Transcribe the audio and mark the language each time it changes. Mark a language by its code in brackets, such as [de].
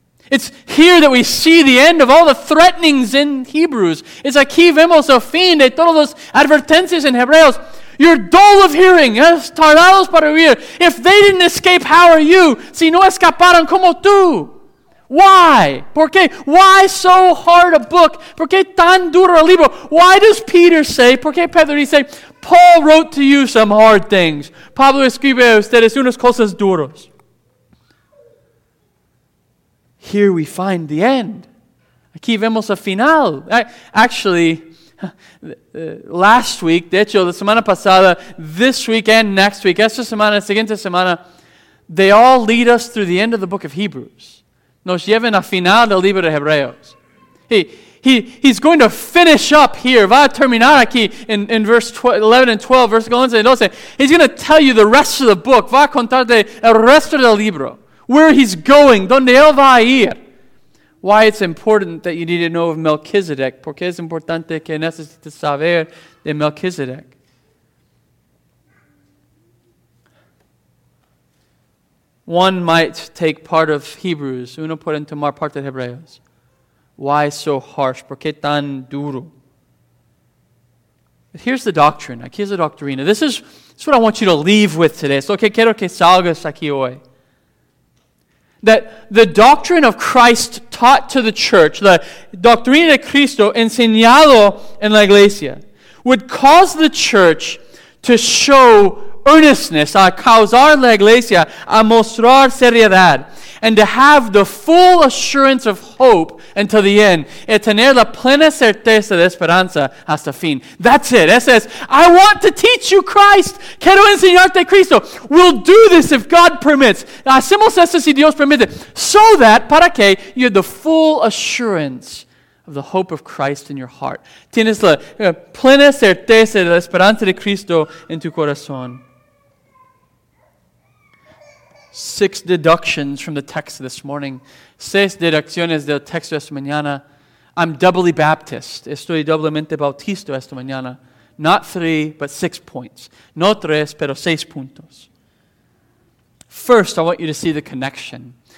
[en] It's here that we see the end of all the threatenings in Hebrews. [es] It's aquí vemos el fin de todos los advertencias en Hebreos. [en] You're dull of hearing. [es] Tardados para oír. [en] If they didn't escape, how are you? [es] Si no escaparon, ¿cómo tú? [en] Why? [es] ¿Por qué? [en] Why so hard a book? [es] ¿Por qué tan duro el libro? [en] Why does Peter say, [es] ¿por qué Pedro dice, [en] Paul wrote to you some hard things. [es] Pablo escribe a ustedes unas cosas duras. [en] Here we find the end. [es] Aquí vemos el final. [en] Actually, last week, [es] de hecho, la semana pasada, [en] this week and next week, [es] esta semana, siguiente semana, [en] they all lead us through the end of the book of Hebrews. [es] Nos llevan al final del libro de Hebreos. [en] He's going to finish up here. [es] Va a terminar aquí [en] in verse 11 and 12, verse 11 and 12. He's going to tell you the rest of the book. [es] Va a contarte el resto del libro. [en] Where he's going, [es] donde él va a ir. [en] Why it's important that you need to know of Melchizedek. [es] ¿Por qué es importante que necesites saber de Melchizedek? [en] One might take part of Hebrews. [es] Uno puede tomar parte de Hebreos. [en] Why so harsh? [es] ¿Por qué tan duro? [en] But here's the doctrine. [es] Aquí es la doctrina. [en] This is what I want you to leave with today. [es] So que quiero que salgas aquí hoy. [en] That the doctrine of Christ taught to the church, the [es] doctrina de Cristo enseñado en la iglesia, [en] would cause the church to show earnestness, [es] a causar la iglesia, a mostrar seriedad, [en] and to have the full assurance of hope until the end, [es] y tener la plena certeza de esperanza hasta fin. [en] That's it. That says, I want to teach you Christ. [es] Quiero enseñarte Cristo. [en] We'll do this if God permits. [es] Hacemos esto si Dios permite. [en] So that, [es] para que, [en] you have the full assurance of the hope of Christ in your heart. [es] Tienes la plena certeza de la esperanza de Cristo en tu corazón. [en] 6 deductions from the text this morning. [es] 6 deducciones del texto esta mañana. [en] I'm doubly Baptist. [es] Estoy doblemente bautista esta mañana. [en] Not 3, but 6 points. [es] No 3, pero 6 puntos. [en] First, I want you to see the connection.